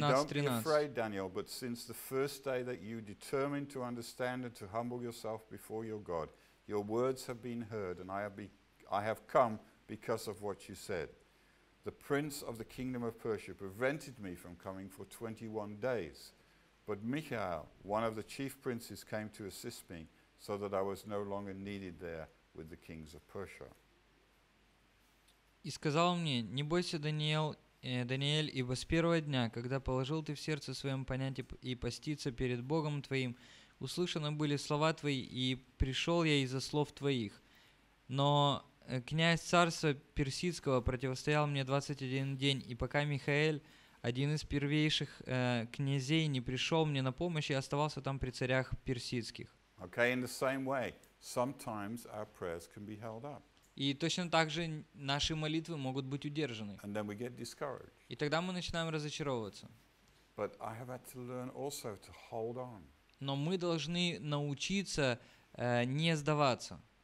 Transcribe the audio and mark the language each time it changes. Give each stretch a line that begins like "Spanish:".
English: Don't be afraid, Daniel, but since the first day that you determined to understand and to humble yourself before your God, your words have been heard, and I have come because of what you said. The prince of the kingdom of Persia prevented me from coming for 21 days. But Michael, one of the chief princes, came to assist me, so that I was no longer needed there with the kings of Persia.
Russian: И сказал мне, не бойся, Даниэль, ибо с первого дня, когда положил ты в сердце своем понять и поститься перед Богом твоим, услышаны были слова твои, и пришел я из-за слов твоих. Но князь царства персидского противостоял мне 21 день, и пока Михаэль, один из первейших князей, не пришел мне на помощь, я оставался там при царях персидских.
English: Okay, in the same way, sometimes our prayers can be held up.
Russian: И точно так же наши молитвы могут быть удержаны.
English: And then we get discouraged.
Russian: И тогда мы начинаем разочаровываться.
English: But I have had to learn also to hold on.
Russian: Но мы должны научиться не сдаваться.